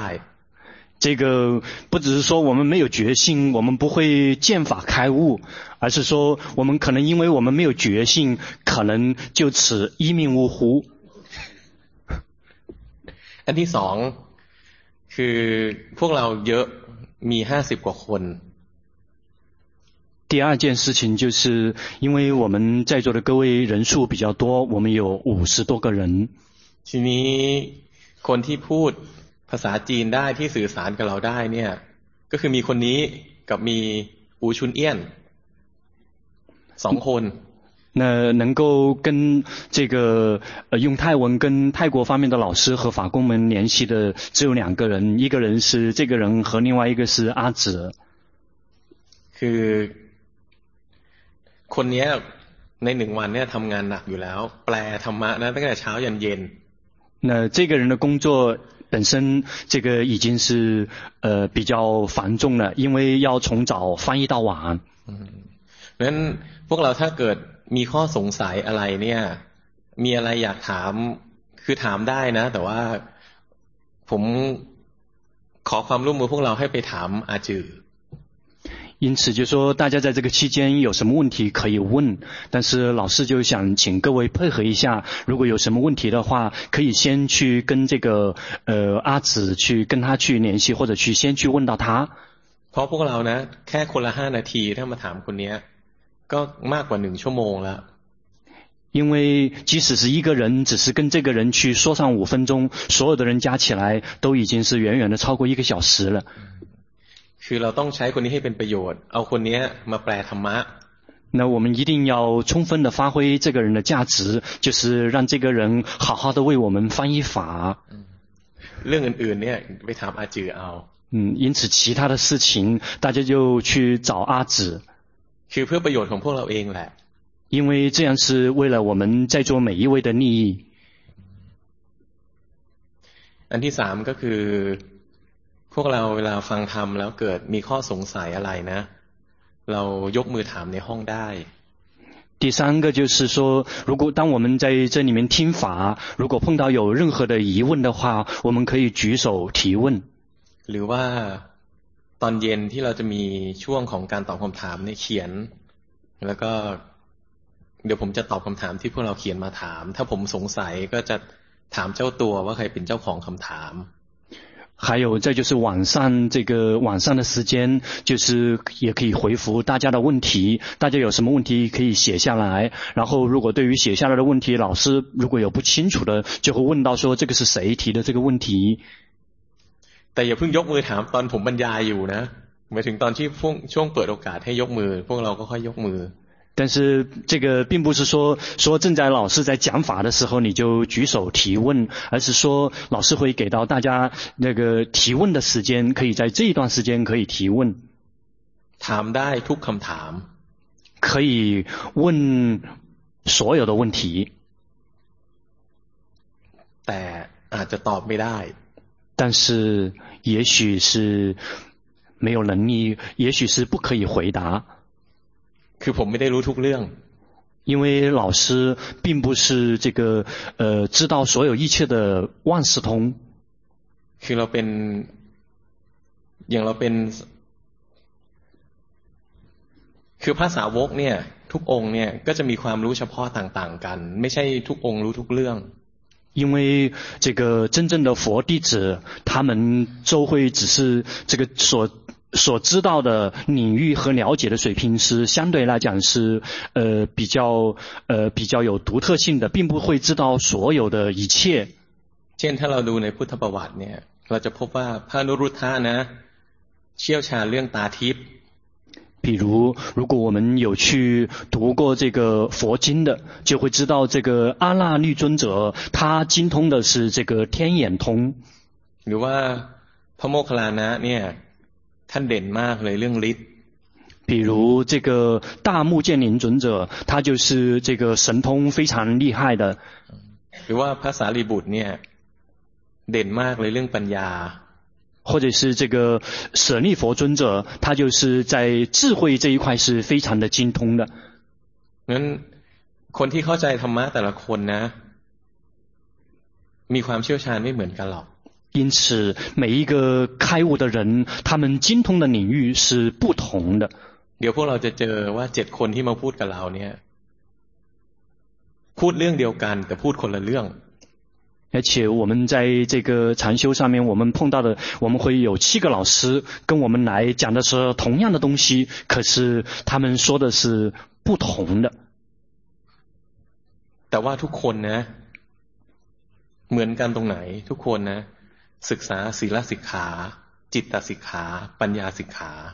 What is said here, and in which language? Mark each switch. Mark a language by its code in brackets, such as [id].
[zh] 这个不只是说我们没有决心我们不会见法开悟而是说我们可能因为我们没有决心可能就此一命呜呼 [th] อันที่สองคือพวกเราเยอะมี50 กว่าคน [zh] 第二件事情就是因为我们在座的各位人数比较多我们有50多个人 [th] ทีนี้คนที่พูดภาษาจีนได้ที่สื่อสารกับเราได้เนี่ยก็คือมีคนนี้กับมีอูชุนเอี้ยน2 คน [zh] 那能够跟这个用泰文跟泰国方面的老师和法工们联系的只有2个人，一个人是这个人和另外一个是阿紫。 [th] คือคนนี้ใน1 วันเนี่ยทำงานหนักอยู่แล้วแปลธรรมะนะตั้งแต่เช้ายันเย็น。 [zh] 那这个人的工作本身这个已经是比较繁重了，因为要从早翻译到晚。 [th] นั้นพวกเราถ้าเกิดมีข้อสงสัยอะไรเนี่ยมีอะไรอยากถามคือถามได้นะแต่ว่าผมขอความร่วมมือพวกเราให้ไปถามอาจือ [zh] 因此就说大家在这个期间有什么问题可以问但是老师就想请各位配合一下如果有什么问题的话可以先去跟这个阿紫去跟他去联系或者去先去问到他 [th] พราะพวกเรานะแค่คนละ5นาทีถ้ามาถามคนนี้ก็มากกว่า1ชั่วโมงแล้ว [zh] 因为即使是一个人只是跟这个人去说上五分钟所有的人加起来都已经是远远的超过一个小时了 [th] คือเราต้องใช้คนนี้ให้เป็นประโยชน์เอาคนนี้มาแปลธรรมะ [zh] 那我们一定要充分的发挥这个人的价值就是让这个人好好的为我们翻译法 [th] เรื่องอื่นๆเนี่ยไปถามอาจือเอา [zh] 因此其他的事情大家就去找阿紫 [th] คือเพื่อประโยชน์ของพวกเราเองแหละ [zh] 因为这样是为了我们在座每一位的利益 [th] อันที่สามก็คือพวกเราเวลาฟังธรรมแล้วเกิดมีข้อสงสัยอะไรนะเรายกมือถามในห้องได้ [zh] 第三个就是说如果当我们在这里面听法如果碰到有任何的疑问的话我们可以举手提问 [th] หรือว่าตอนเย็นที่เราจะมีช่วงของการตอบคำถามเนี่ยเขียนแล้วก็เดี๋ยวผมจะตอบคำถามที่พวกเราเขียนมาถามถ้าผมสงสัยก็จะถามเจ้าตัวว่าใครเป็นเจ้าของคำถาม [zh] 还有这就是晚上这个晚上的时间就是也可以回复大家的问题大家有什么问题可以写下来然后如果对于写下来的问题老师如果有不清楚的就会问到说这个是谁提的这个问题 [th] แต่อย่าเพิ่งยกมือถามตอนผมบรรยายอยู่นะหมายถึงตอนที่ช่วงเปิดโอกาสให้ยกมือพวกเราก็ค่อยยกมือ [zh] 但是这个并不是说说正在老师在讲法的时候你就举手提问而是说老师会给到大家那个提问的时间可以在这一段时间可以提问 [th] ถามได้ทุกคำถาม [zh] 可以问所有的问题 [th] แต่อาจจะตอบไม่ได้ [zh] 但是也许是没有能力也许是不可以回答 [th] คือผมไม่ได้รู้ทุกเรื่อง [zh] 因为老师并不是这个知道所有一切的万事通 [th] คือเราเป็นอย่างเราเป็นคือภาษาวกเนี่ยทุกองค์เนี่ยก็จะมีความรู้เฉพาะต่างๆกันไม่ใช่ทุกองค์รู้ทุกเรื่อง [zh] 因为这个真正的佛弟子他们就会只是这个所知道的领域和了解的水平是相对来讲是比较有独特性的并不会知道所有的一切既然他老读 [th] ในพุทธประวัติเนี่ยเราจะพบว่าพระอนุรุทธะนะเชี่ยวชาญเรื่องตาทิพย์ [zh] 比如如果我们有去读过这个佛经的就会知道这个阿那律尊者他精通的是这个天眼通 [th] หรือว่าพระโมคคัลลานะเนี่ยท่านเด่นมากเลยเรื่องฤทธิ์ [zh] 比如这个大目犍连尊者他就是这个神通非常厉害的 [th] หรือว่าพระสารีบุตรเนี่ยเด่นมากเลยเรื่องปัญญา [zh] 或者是这个舍利佛尊者他就是在智慧这一块是非常的精通的 [th] งั้นคนที่เข้าใจธรรมะแต่ละคนนะมีความเชี่ยวชาญไม่เหมือนกันหรอก [zh] 因此每一个开悟的人他们精通的领域是不同的 [th] เดี๋ยวพวกเราจะเจอว่า7คนที่มาพูดกับเราเนี่ยพูดเรื่องเดียวกันแต่พูดคนละเรื่อง [zh] 而且我们在这个禅修上面我们碰到的我们会有七个老师跟我们来讲的是同样的东西可是他们说的是不同的 [th] แต่ว่าทุกคนนะเหมือนกันตรงไหนทุกคนนะศึกษาศีลสิกขาจิตตสิกขาปัญญาสิกขา